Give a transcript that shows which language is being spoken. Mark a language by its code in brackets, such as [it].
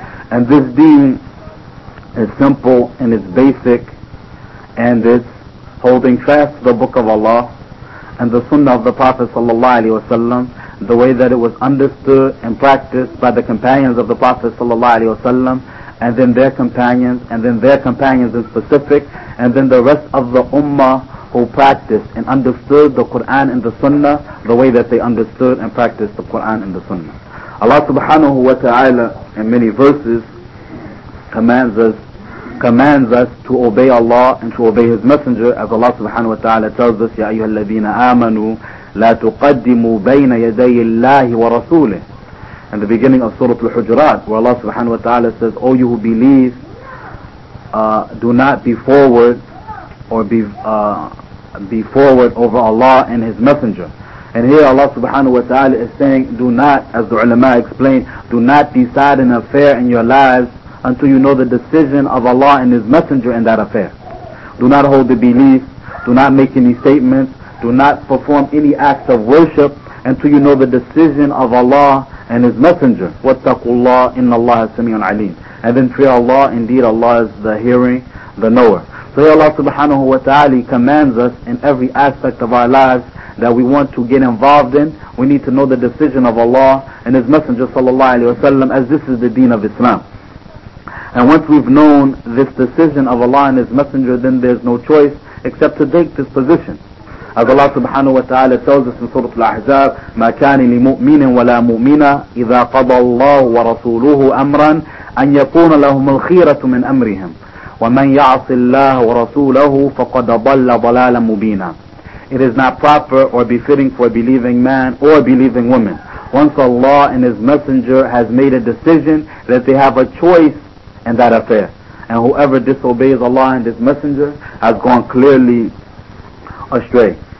[en] And this deen is simple and it's basic, and it's holding fast to the Book of Allah and the sunnah of the Prophet sallallahu alaihi wasallam, the way that it was understood and practiced by the companions of the Prophet sallallahu alaihi wasallam, and then their companions, and then their companions in specific, and then the rest of the ummah who practiced and understood the Quran and the sunnah the way that they understood and practiced the Quran and the sunnah. Allah subhanahu wa ta'ala in many verses commands us to obey Allah and to obey His Messenger, as Allah subhanahu wa ta'ala tells us, [ar] يَا أَيُّهَا الَّذِينَ آمَنُوا لا تقدموا بين يدي الله ورسوله. [en] In the beginning of Surah Al-Hujurat, where Allah subhanahu wa ta'ala says, O you who believe, do not be forward or be forward over Allah and His Messenger. And here Allah subhanahu wa ta'ala is saying, do not, as the ulama explained, do not decide an affair in your lives until you know the decision of Allah and His Messenger in that affair. Do not hold the belief, do not make any statements, do not perform any acts of worship until you know the decision of Allah and His Messenger. [ar] وَاتَّقُوا اللَّهِ إِنَّ اللَّهَ سَمِيعٌ عَلِيمٌ. [en] And then fear Allah, indeed Allah is the hearing, the knower. So here Allah subhanahu wa ta'ala commands us in every aspect of our lives that we want to get involved in, we need to know the decision of Allah and His Messenger sallallahu alayhi wa sallam, as this is the deen of Islam. And once we've known this decision of Allah and His Messenger, then there's no choice except to take this position. As Allah subhanahu wa ta'ala tells us in Surah Al-Ahzab, [ar] مَا كَانِ لِمُؤْمِنٍ وَلَا مُؤْمِنَ إِذَا قَضَى اللَّهُ وَرَسُولُهُ أَمْرًا أَنْ يَكُونَ لَهُمُ الْخِيرَةُ مِنْ أَمْرِهِمْ وَمَنْ يَعْصِ اللَّهُ وَرَسُولَهُ فَقَدَ ضَلَّ ضَلَالًا مُبِينًا. [en] It is not proper or befitting for a believing man or a believing woman. Once Allah and His Messenger has made a decision, that they have a choice in that affair. And whoever disobeys Allah and His Messenger has gone clearly astray.